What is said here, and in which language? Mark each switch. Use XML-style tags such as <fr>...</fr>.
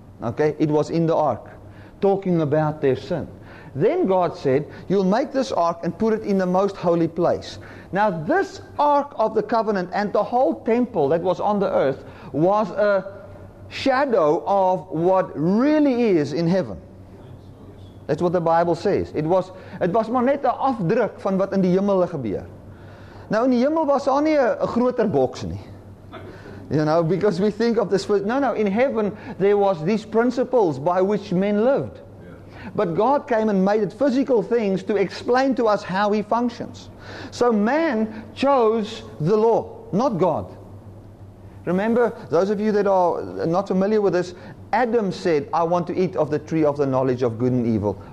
<en>Okay, it was in the ark, talking about their sin. Then God said, you'll make this ark and put it in the most holy place. Now this ark of the covenant and the whole temple that was on the earth was a shadow of what really is in heaven. That's what the Bible says. It was</en> <af>maar net 'n afdruk van wat in die hemel gebeur. Nou in die hemel was daar nie 'n groter boks nie.</af> <en>You know, because we think of this. No. In heaven, there was these principles by which men lived. Yeah. But God came and made it physical things to explain to us how He functions. So man chose the law, not God. Remember, those of you that are not familiar with this, Adam said, I want to eat of the tree of the knowledge of good and evil.</en>